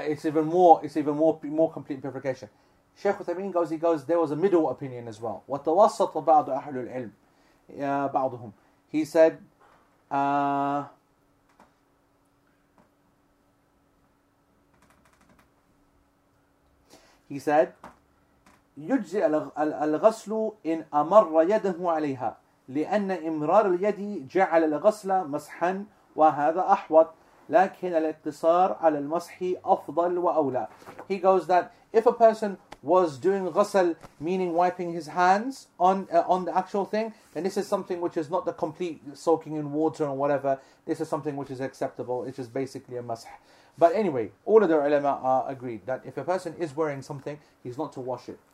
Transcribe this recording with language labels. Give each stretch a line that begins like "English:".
English: It's even more complete in purification. Sheikh Uthaymeen goes, there was a middle opinion as well.
Arabic: وتوسط بعض أهل العلم بعضهم.
English: He said,
Arabic: يجزئ الغسل إن أمر يده عليها لأن إمرار اليد جعل الغسل مسحا وهذا أحوط لكن الاقتصار على المسح أفضل وأولى.
English: He goes that if a person was doing ghasl, meaning wiping his hands on the actual thing, then this is something which is not the complete soaking in water and whatever. This is something which is acceptable. It's just basically a mas'h. But anyway, all of the ulama are agreed that if a person is wearing something, he's not to wash it.